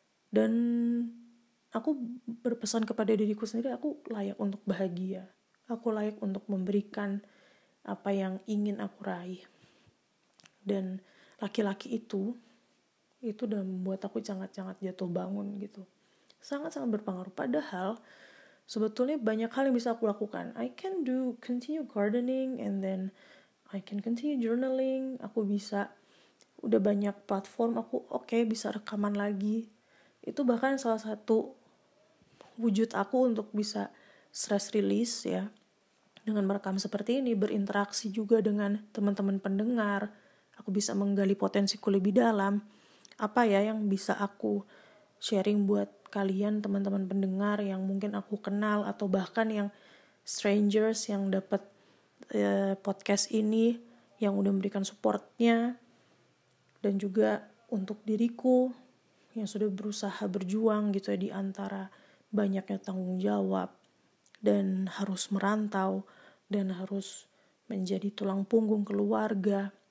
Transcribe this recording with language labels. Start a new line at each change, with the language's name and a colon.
Indonesian: Dan aku berpesan kepada diriku sendiri, aku layak untuk bahagia, aku layak untuk memberikan apa yang ingin aku raih. Dan laki-laki itu udah membuat aku sangat-sangat jatuh bangun gitu. Sangat-sangat berpengaruh. Padahal sebetulnya banyak hal yang bisa aku lakukan.
English: I can do continue gardening, and then I can continue journaling.
Indonesian: Aku bisa, udah banyak platform aku, oke, bisa rekaman lagi. Itu bahkan salah satu wujud aku untuk bisa stress release ya, dengan merekam seperti ini, berinteraksi juga dengan teman-teman pendengar. Aku bisa menggali potensiku lebih dalam. Apa ya yang bisa aku sharing buat kalian teman-teman pendengar yang mungkin aku kenal, atau bahkan yang strangers yang dapat podcast ini, yang udah memberikan supportnya, dan juga untuk diriku yang sudah berusaha berjuang gitu ya, di antara banyaknya tanggung jawab dan harus merantau dan harus menjadi tulang punggung keluarga.